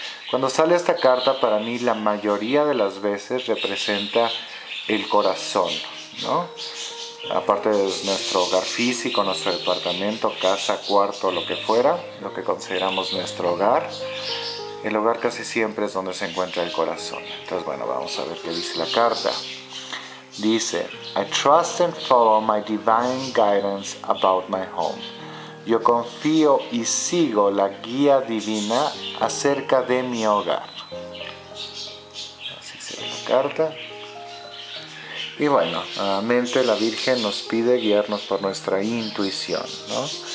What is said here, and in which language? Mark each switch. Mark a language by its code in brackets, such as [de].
[es] Cuando sale esta carta, para mí la mayoría de las veces representa el corazón, ¿no? Aparte de nuestro hogar físico, nuestro departamento, casa, cuarto, lo que fuera, lo que consideramos nuestro hogar, el hogar casi siempre es donde se encuentra el corazón. Entonces, bueno, vamos a ver qué dice la carta. [en] Dice, I trust and follow my divine guidance about my home. [es] Yo confío y sigo la guía divina acerca de mi hogar. Así se ve la carta. Y bueno, nuevamente la Virgen nos pide guiarnos por nuestra intuición, ¿no?